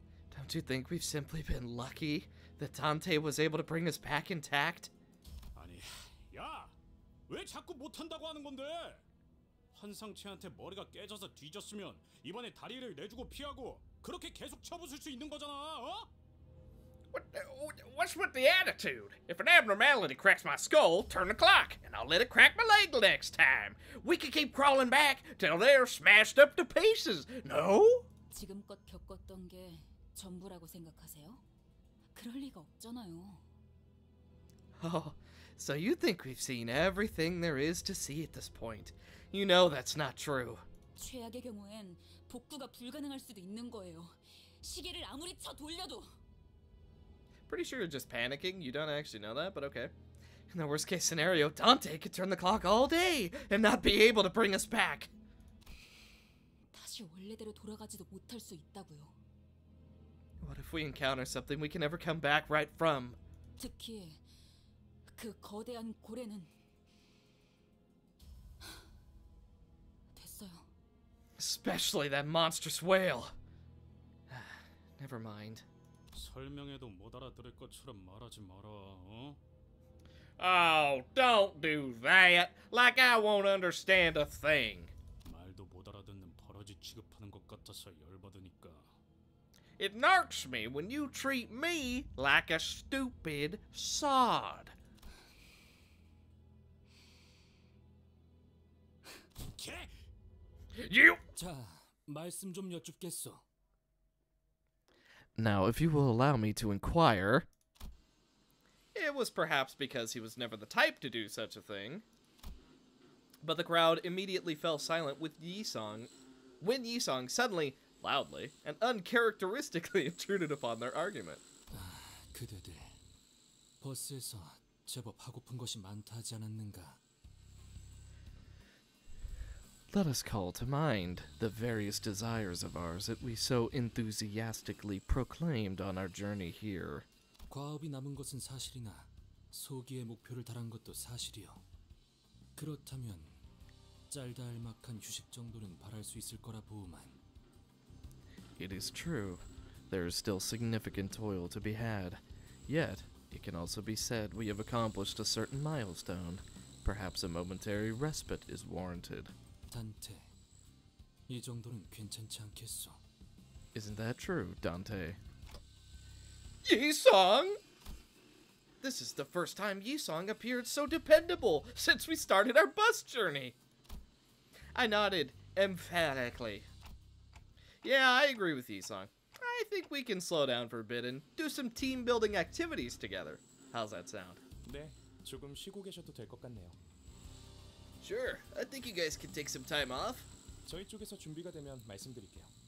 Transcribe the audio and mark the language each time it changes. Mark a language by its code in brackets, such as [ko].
[en] Don't you think we've simply been lucky that Dante was able to bring us back intact? [ko] 아니, 야! 왜 자꾸 못한다고 하는 건데? 환상체한테 머리가 깨져서 뒤졌으면 이번에 다리를 내주고 피하고 그렇게 계속 쳐부술 수 있는 거잖아, 어? [en] What's with the attitude? If an abnormality cracks my skull, turn the clock, and I'll let it crack my leg next time. We can keep crawling back till they're smashed up to pieces, no? [ko] 지금껏 겪었던 게 전부라고 생각하세요? 그럴 리가 없잖아요. [en] Oh, so you think we've seen everything there is to see at this point. You know that's not true. [ko] 최악의 경우엔 복구가 불가능할 수도 있는 거예요. 시계를 아무리 쳐 돌려도... [en] Pretty sure you're just panicking. You don't actually know that, but okay. In the worst case scenario, Dante could turn the clock all day and not be able to bring us back. [ko] 다시 원래대로 돌아가지도 못할 수 있다고요. [en] What if we encounter something we can never come back right from? [ko] 특히 그 거대한 고래는... 됐어요. [en] Especially that monstrous whale. Never mind. [ko] 설명해도 못 알아들을 것처럼 말하지 마라, [en] 어? Oh, don't do that! Like I won't understand a thing! [ko] 말도 못 알아듣는 버러지 취급하는 것 같아서 열받으니까. [en] It narks me when you treat me like a stupid sod. [ko] 개! [en] You! [ko] 자, 말씀 좀 여쭙겠소. [en] Now, if you will allow me to inquire... It was perhaps because he was never the type to do such a thing. But the crowd immediately fell silent with Yisong, when Yisong suddenly, loudly, and uncharacteristically intruded upon their argument. [ko] 그대들, 버스에서 제법 하고픈 것이 많다 하지 않았는가? Let us call to mind the various desires of ours that we so enthusiastically proclaimed on our journey here. 과업이 남은 것은 사실이나 소기의 목표를 달한 것도 사실이요. 그렇다면 짤달막한 휴식 정도는 바랄 수 있을 거라 보우만. [en] It is true. There is still significant toil to be had. Yet, it can also be said we have accomplished a certain milestone. Perhaps a momentary respite is warranted. [ko] 단테, 이 정도는 괜찮지 않겠소? [en] Isn't that true, Dante? Yisong! This is the first time Yisong appeared so dependable since we started our bus journey! I nodded emphatically. Yeah, I agree with Yisong. I think we can slow down for a bit and do some team-building activities together. How's that sound? [ko] 네, 조금 쉬고 계셔도 될 것 같네요. [en] Sure, I think you guys can take some time off. [ko] 저희 쪽에서 준비가 되면 말씀드릴게요.